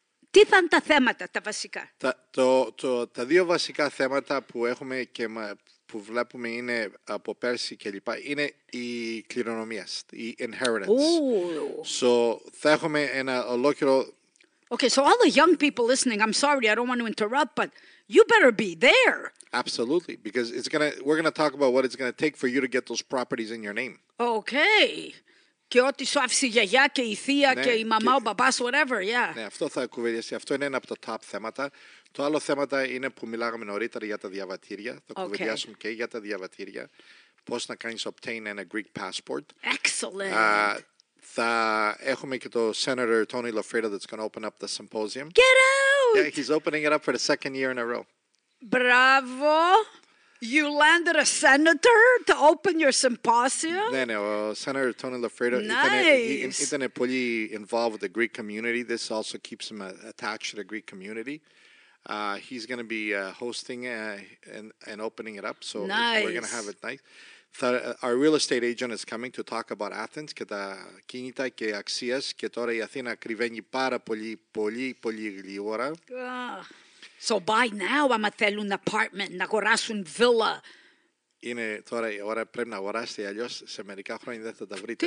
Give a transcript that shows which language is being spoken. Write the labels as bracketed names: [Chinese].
[Greek] Τι θα είναι τα θέματα, τα βασικά? Τα 2 βασικά θέματα που έχουμε και που βλέπουμε είναι από πέρσι και λοιπά, είναι η κληρονομία, η inheritance. So, θα έχουμε ένα ολόκληρο... [English] Okay, so all the young people listening, I'm sorry, I don't want to interrupt, but you better be there. Absolutely, because we're going to talk about what it's going to take for you to get those properties in your name. Okay. [Greek] Και ό,τι σου άφησε η γιαγιά και η θεία, ναι, και η μαμά, ο μπαμπάς, [English] whatever, yeah. [Greek] Ναι, αυτό θα κουβεντιάσει. Αυτό είναι ένα από τα top θέματα. Το άλλο θέματα είναι που μιλάγαμε νωρίτερα για τα διαβατήρια. Θα κουβεντιάσουμε και για τα διαβατήρια. Πώς να κάνεις obtain ένα Greek passport. [English] Excellent. [Greek] Θα έχουμε και το [English] Senator Tony Lafreda that's going to open up the symposium. Get out! Yeah, he's opening it up for the 2nd year in a row. Bravo! You landed a senator to open your symposium? [Greek] Ναι, ναι, ο Senator Tony Lafreda ήταν πολύ [English] involved with the Greek community. This also keeps him attached to the Greek community. He's going to be hosting and opening it up, so nice. We're going to have it nice. Our real estate agent is coming to talk about Athens [Greek] και τα κίνητα και αξίες, και τώρα η Αθήνα κρυβαίνει πάρα πολύ, πολύ, πολύ γλύωρα. [English] So buy now, [Greek] άμα θέλουν apartment, να αγοράσουν villa. Είναι τώρα η ώρα, πρέπει να αγοράσετε, αλλιώς σε μερικά χρόνια δεν θα τα βρείτε.